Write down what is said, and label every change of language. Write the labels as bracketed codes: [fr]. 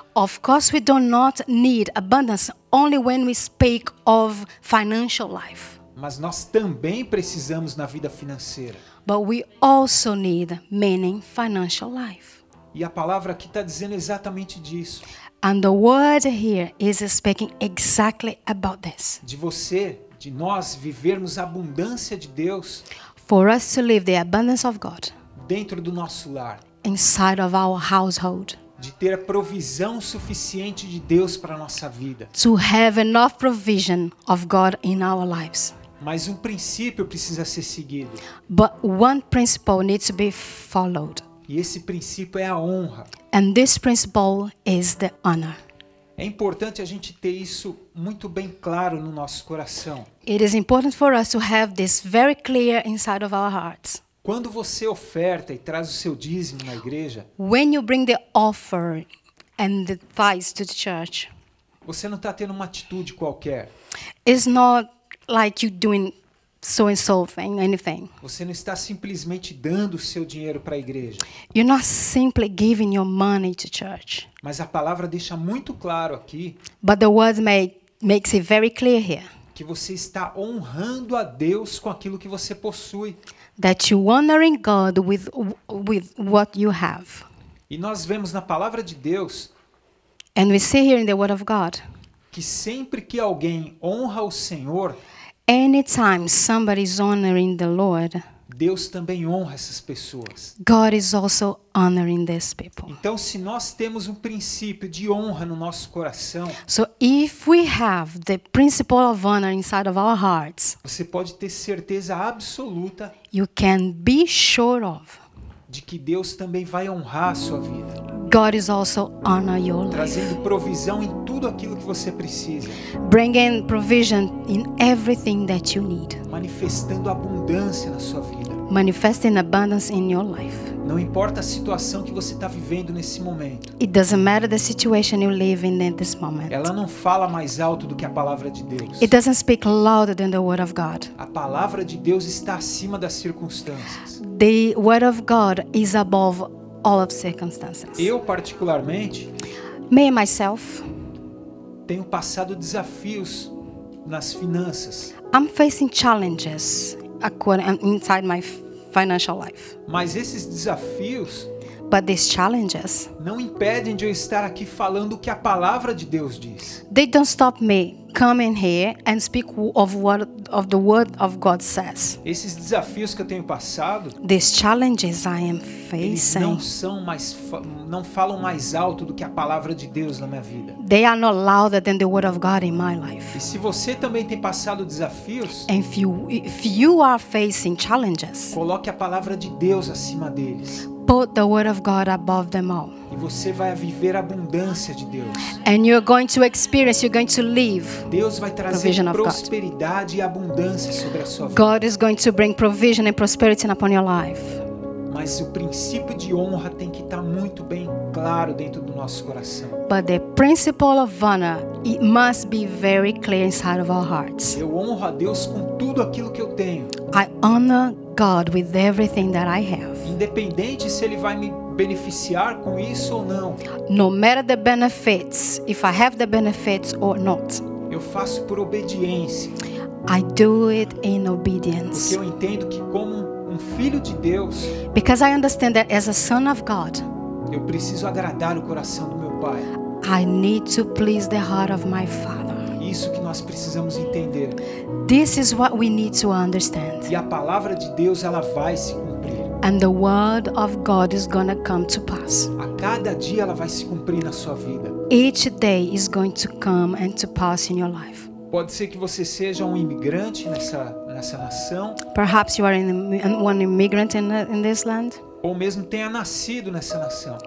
[en] Of course we do not need abundance only when we speak of financial life. [pt] Mas nós também precisamos na vida financeira. [en] But we also need meaning financial life. [pt] E a palavra aqui está dizendo exatamente disso. [en] And the word here is speaking exactly about this. [pt] De você, de nós vivermos a abundância de Deus. [en] For us to live the abundance of God. [pt] Dentro do nosso lar. [en] Inside of our household. [pt] De ter a provisão suficiente de Deus para a nossa vida. [en] To have enough provision of God in our lives. [pt] Mas um princípio precisa ser seguido. [en] But one principle needs to be followed. [pt] E esse princípio é a honra. [en] And this principle is the honor. [pt] É importante a gente ter isso muito bem claro no nosso coração. [en] It is important for us to have this very clear inside of our hearts. [pt] Quando você oferta e traz o seu dízimo na igreja, [en] when you bring the offer and the tithes to the church, [pt] você não está tendo uma atitude qualquer. [en] It's not like you doing so and so thing, anything. [pt] Você não está simplesmente dando o seu dinheiro para a igreja. [en] You're not simply giving your money to church. [pt] Mas a palavra deixa muito claro aqui. [en] But the word makes it very clear here. [pt] Que você está honrando a Deus com aquilo que você possui. [en] That you're honoring God with what you have. [pt] E nós vemos na palavra de Deus. [en] And we see here in the word of God. [pt] Que sempre que alguém honra o Senhor, [en] Anytime somebody is honoring the Lord, [pt] Deus também honra essas pessoas. [en] God is also honoring these people. [pt] Então, se nós temos um princípio de honra no nosso coração, [en] so if we have the principle of honor inside of our hearts, [pt] você pode ter certeza absoluta, [en] you can be sure of, [pt] de que Deus também vai honrar a sua vida. [en] God is also honor your life. [pt] Trazendo provisão em tudo aquilo que você precisa. [en] Bringing provision in everything that you need. [pt] Manifestando abundância na sua vida. [en] Manifesting abundance in your life. [pt] Não importa a situação que você está vivendo nesse momento. [en] It doesn't matter the situation you live in this moment. [pt] Ela não fala mais alto do que a palavra de Deus. [en] It doesn't speak louder than the word of God. [pt] A palavra de Deus está acima das circunstâncias. [en] The word of God is above all of circumstances. [pt] Eu particularmente, [en] me myself, [pt] tenho passado desafios nas finanças. [en] I'm facing challenges inside my financial life. [pt] Mas esses desafios, [en] but these challenges, [pt] não impedem de eu estar aqui falando o que a palavra de Deus diz. [en] They don't stop me coming here and speak of what of the word of God says. [pt] Esses desafios que eu tenho passado, [en] these challenges I am facing, [pt] eles não falam mais alto do que a palavra de Deus na minha vida. [en] They are not louder than the word of God in my life. [pt] E se você também tem passado desafios, [en] and if you are facing challenges, [pt] coloque a palavra de Deus acima deles. [en] Put the word of God above them all. [pt] E você vai viver a abundância de Deus. [en] And you're going to experience, you're going to live. [pt] Deus vai trazer prosperidade e abundância sobre a sua vida. [en] God is going to bring provision and prosperity upon your life. [pt] Mas o princípio de honra tem que estar muito bem claro dentro do nosso coração. [en] But the principle of honor, it must be very clear inside of our hearts. [pt] Eu honro a Deus com tudo aquilo que eu tenho. [en] I honor God with everything that I have. [pt] Independente se ele vai me beneficiar com isso ou não. [en] No matter the benefits, if I have the benefits or not. [pt] Eu faço por obediência. [en] I do it in obedience. [pt] Porque eu entendo que como um filho de Deus, [en] because I understand that as a son of God, [pt] eu preciso agradar o coração do meu pai. [en] I need to please the heart of my father. [pt] Isso que nós precisamos entender. [en] This is what we need to understand. [pt] E a palavra de Deus, ela vai se cumprir. [en] And the word of God is going to come to pass. [pt] A cada dia ela vai se cumprir na sua vida. [en] Each day is going to come and to pass in your life. [pt] Pode ser que você seja um imigrante nessa nação. [en] Perhaps you are one immigrant in this land. [pt] Ou mesmo tenha nascido nessa nação.